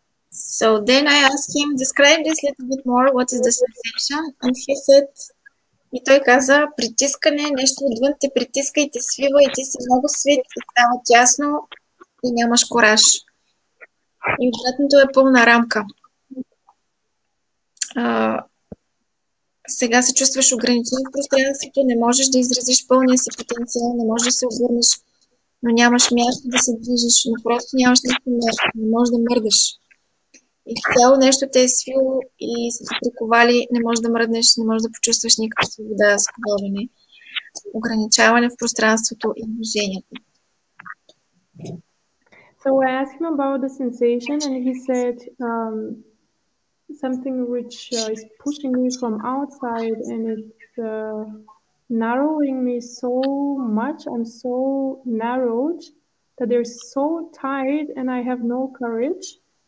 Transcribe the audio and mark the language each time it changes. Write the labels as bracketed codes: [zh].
[en] So then I asked him, describe this a little bit more, what is the sensation? And he said, [bg] и той каза, притискане, нещо отвън те притиска и те свива и ти си много свит и става тясно и нямаш кораж. И обратното е пълна рамка. Сега се чувстваш ограничен в пространството, не можеш да изразиш пълния си потенциал, не можеш да се обърнеш, но нямаш място да се движиш, но просто нямаш нищо място, не можеш да мърдаш. И цяло нещо те е свило и са се приковали, не можеш да мръднеш, не можеш да почувстваш никаква свобода, сковаване, ограничаване в пространството и движението. [en] So I asked him about the sensation and he said something which is pushing me from outside and it's narrowing me so much. I'm so narrowed that they're so tight and I have no courage.